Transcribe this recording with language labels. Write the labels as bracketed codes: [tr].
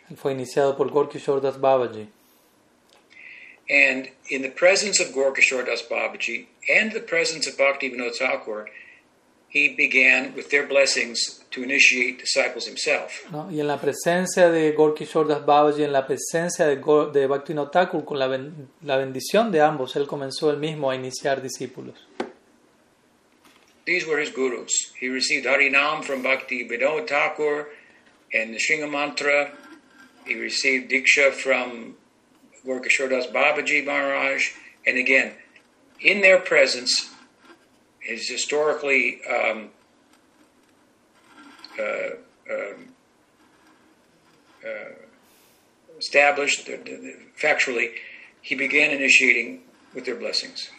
[es] Él fue iniciado por Gaur Kishore Das Babaji. [en] And in the presence of Gaur Kishore Das Babaji and the presence of Bhaktivinoda Thakur, he began, with their blessings, to initiate disciples himself. [es] No, y en la presencia de Gaur Kishore Das Babaji, en la presencia de Bhaktivinoda Thakur, con la bendición de ambos, él comenzó él mismo a iniciar discípulos. [en] These were his gurus. He received Harinam from Bhaktivinoda Thakur and the Sringa Mantra. He received Diksha from Gaur Kishore Das Babaji Maharaj. And again, in their presence, is historically established factually, he began initiating with their blessings.